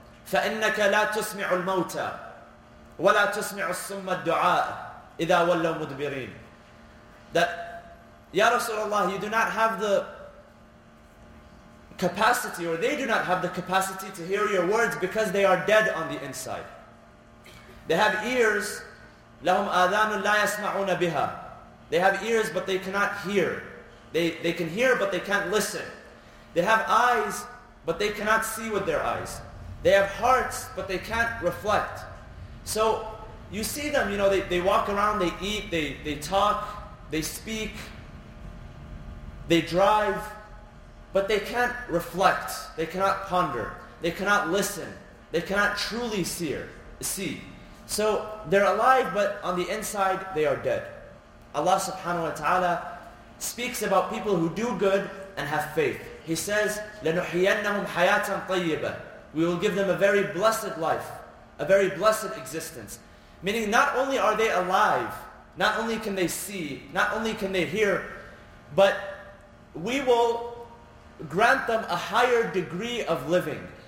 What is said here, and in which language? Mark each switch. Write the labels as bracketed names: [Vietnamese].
[Arabic] فَإِنَّكَ لَا تُسْمِعُ الْمَوْتَى وَلَا تُسْمِعُ السُّمَّ الدُّعَاءِ إِذَا وَلَّوْ مُدْبِرِينَ. [English] That, Ya Rasulullah, you do not have the capacity, or they do not have the capacity to hear your words because they are dead on the inside. They have ears, [Arabic] لَهُمْ آذَانٌ لَا يَسْمَعُونَ بِهَا. [English] They have ears, but they cannot hear. They can hear, but they can't listen. They have eyes, but they cannot see with their eyes. They have hearts, but they can't reflect. So, you see them, you know, they walk around, they eat, they talk, they speak, they drive, but they can't reflect, they cannot ponder, they cannot listen, they cannot truly see. So they're alive, but on the inside they are dead. Allah subhanahu wa ta'ala speaks about people who do good and have faith. He says, [Arabic] لَنُحْيَنَّهُمْ حَيَاةً طَيِّبَةً. [English] We will give them a very blessed life, a very blessed existence. Meaning not only are they alive, not only can they see, not only can they hear, but we will grant them a higher degree of living.